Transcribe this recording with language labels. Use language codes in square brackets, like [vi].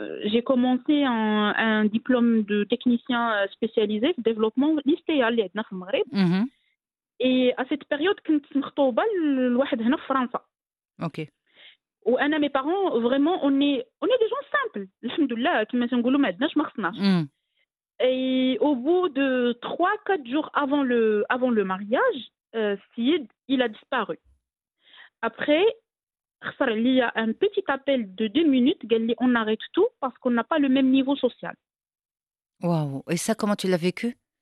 [fr] J'ai commencé un diplôme de technicien spécialisé de développement industriel à Dakar au Maroc. Et à cette période, [ar] كنت مخطوبة لواحد هنا في فرنسا. [fr] OK. Ou انا mes parents vraiment on est des gens simples. [ar] Alhamdoulillah, كما نقولوا ما عندناش ما خصناش. [fr] Et au bout de 3-4 jours avant le mariage, Sid, il a disparu. Après il y a un petit appel de 2 minutes, on arrête tout parce qu'on n'a pas le même niveau social. Waouh! Et ça, comment tu l'as vécu?